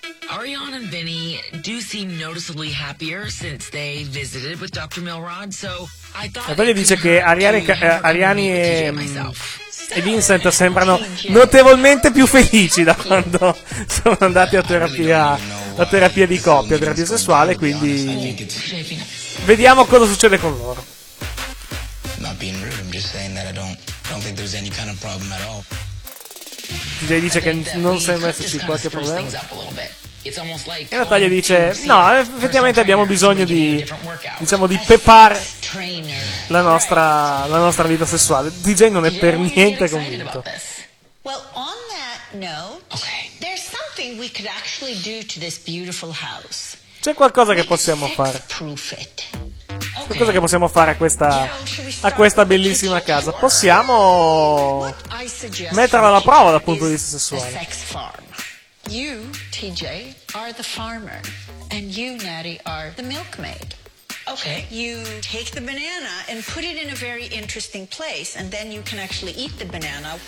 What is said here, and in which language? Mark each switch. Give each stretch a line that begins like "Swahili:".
English: Ariane and Vinny do seem noticeably happier since they visited with Dr. Milrod, so I thought...
Italian: E poi dice che Ariane e Vincent sembrano notevolmente più felici da quando sono andati a terapia, la terapia di coppia, terapia sessuale, quindi vediamo cosa succede con loro.
English: Not being rude, I'm just saying that I don't think there's any kind of problem at all.
Italian: DJ dice che non sembra esserci qualche problema. E Natalia dice: no, effettivamente abbiamo bisogno di, diciamo, di pepare la nostra vita sessuale. DJ non è per niente convinto.
English: Well, on that note, there's something we could actually do to this beautiful house.
Italian: C'è qualcosa che possiamo fare. Qualcosa che possiamo fare a questa bellissima casa. Possiamo metterla alla prova dal punto di vista sessuale.
English: You, TJ, are the farmer, and you, Natty, are the milkmaid. Okay. You take the banana and put it in a very interesting place, and then you can actually eat the banana.